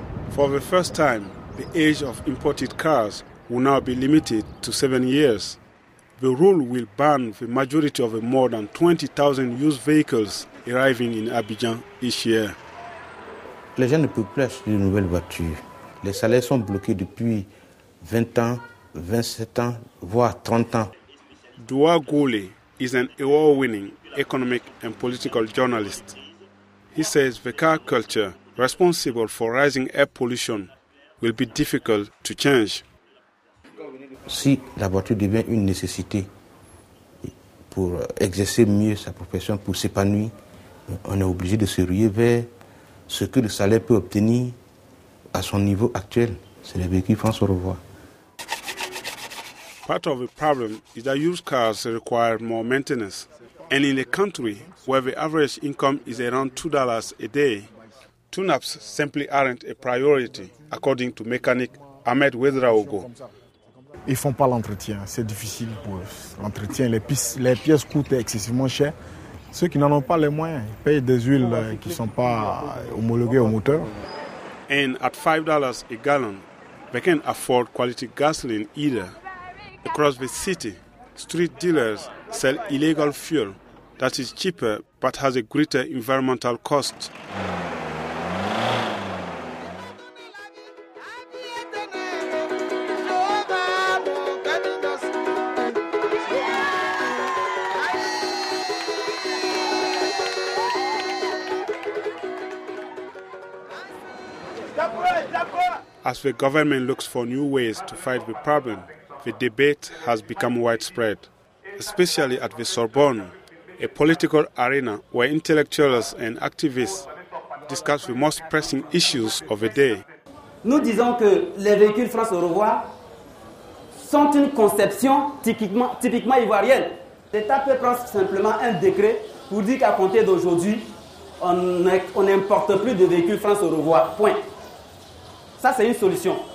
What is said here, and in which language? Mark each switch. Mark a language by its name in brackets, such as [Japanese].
[English] For the first time, the age of imported cars will now be limited to 7 years. The rule will ban the majority of the more than 20,000 used vehicles arriving in Abidjan each year. [French] Les gens ne peuvent plus acheter de nouvelles voitures. Les salaires sont bloqués depuis 20 ans, 27 ans, voire 30 ans. [English] Doua Gouli is an award-winning economic and political journalist. He says the car culture responsible for rising air pollution will be difficult to change. [French] Si la voiture devient une nécessité pour exercer mieux sa profession, pour s'épanouir, on est obligé de se ruer vers ce que le salaire peut obtenir à son niveau actuel. c'est les véhicules qui font se revoir. [English] Part of the problem is that used cars require more maintenance. And in a country where the average income is around $2 a day, tune-ups simply aren't a priority, according to mechanic Ahmed Wedraogo. [French] Ils font pas l'entretien, c'est difficile pour eux. L'entretien, les pièces coûtent excessivement cher. Ceux qui n'en ont pas les moyens, ils payent des huiles qui ne sont pas homologuées au moteur. [English] And at $5 a gallon, they can't afford quality gasoline either. Across the city, street dealers sell illegal fuel that is cheaper but has a greater environmental cost. As the government looks for new ways to fight the problem, the debate has become widespread, especially at the Sorbonne, a political arena where intellectuals and activists discuss the most pressing issues of the day. [French] Nous disons que les véhicules France au revoir sont une conception typiquement ivoirienne. L'État peut prendre simplement un décret pour dire qu'à compter d'aujourd'hui, on n'importe plus de véhicules France au revoir. Point. Ça, c'est une solution.